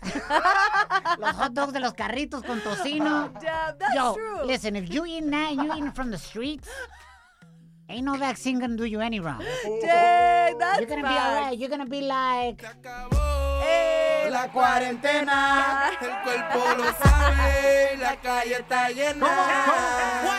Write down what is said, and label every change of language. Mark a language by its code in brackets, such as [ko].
[es] Los hot dogs de los carritos con tocino. [en] Yeah, that's true. Listen, if you eat that and you eat it from the streets, ain't no vaccine gonna do you any wrong. Dang, that's You're gonna bad. Be all right. You're gonna be like... [es] La cuarentena, el cuerpo lo sabe, la calle está llena.